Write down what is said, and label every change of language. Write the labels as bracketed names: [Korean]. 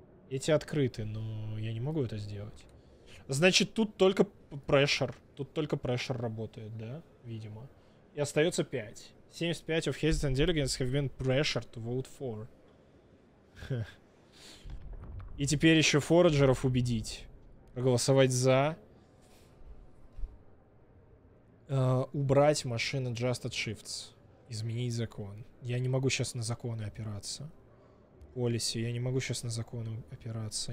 [Russian] Эти открыты, но я не могу это сделать. Значит, тут только прешер. Тут только прешер работает, да? Видимо. И остается 5. [English] 75 of hesitant delegates have been pressured to vote for. [Russian] И теперь еще фораджеров убедить. Проголосовать за. Убрать машины [English] adjusted shifts. [Russian] Изменить закон. Я не могу сейчас на законы опираться. [English] Policy. [Russian] Я не могу сейчас на законы опираться.